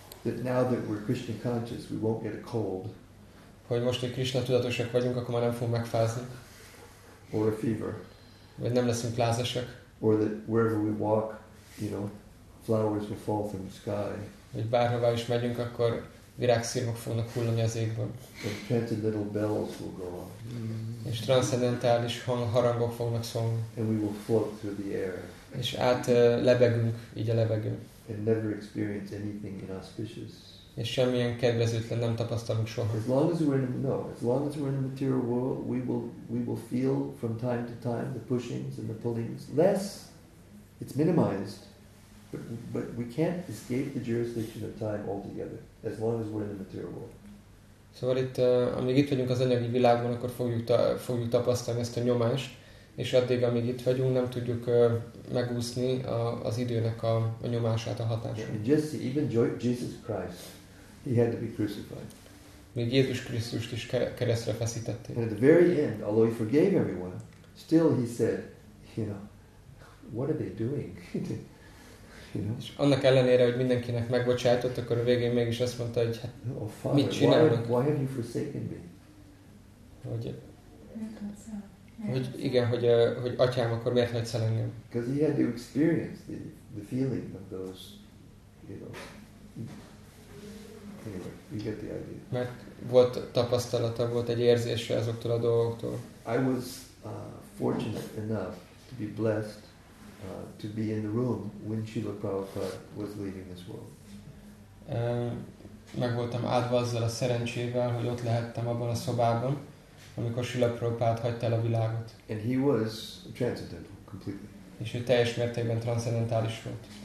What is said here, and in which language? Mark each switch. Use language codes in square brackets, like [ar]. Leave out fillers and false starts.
[en] That now that we're Krishna conscious, we won't get a cold. [hu] Hogy most, hogy Krishna tudatosak vagyunk, akkor már nem fogunk megfázni. [en] Or a fever. [hu] Vagy nem leszünk lázasak. [en] Or that wherever we walk, you know, flowers will fall from the sky. [hu] Vagy bárhová is megyünk, akkor virágszirmok fognak hullani az égből. [en] Transcendental little bells will go on. [hu] És transzendentális hangharangok fognak szólni. [en] And we will float through the air. [hu] És át lebegünk így a levegőn. [en] And never experience anything inauspicious. [hu] És semmilyen kedvezőtlen nem tapasztalunk soha. [en] As long as we're in the material world, we will feel from time to time the pushings and the pullings. Less, it's minimized. But we can't escape the jurisdiction of time altogether, as long as we're in the material world. [hu] Szóval itt, amíg itt vagyunk az anyagi világban, akkor fogjuk tapasztalni ezt a nyomást, és addig, amíg itt vagyunk, nem tudjuk megúszni az időnek a nyomását, a hatását. [en] And just even Jesus Christ, he had to be crucified. [hu] Még Jézus Krisztust is keresztre feszítették. [en] And at the very end, although he forgave everyone, still he said, you know, what are they doing? [hu] És annak ellenére, hogy mindenkinek megbocsájtott, akkor a végén mégis azt mondta, hogy hát, mit csinálnak? [en] Why have you forsaken me? [hu] Hogy hogy igen, hogy hogy atyám, akkor miért hagysz el engem? [en] Because he had to experience the feeling of those, you know. Anyway, you get the idea. [hu] Mert volt tapasztalata, volt egy érzése azoktól a dolgoktól. [en] I was fortunate enough to be blessed to be in the room when Srila Prabhupada was leaving this world. [hu] Meg voltam áldva azzal a szerencsével, hogy ott lehettem abban a szobában, amikor Srila Prabhupada hagyta el a világot. [en] And he was transcendental, completely. [hu] És ő teljes mértékben transzendentális volt.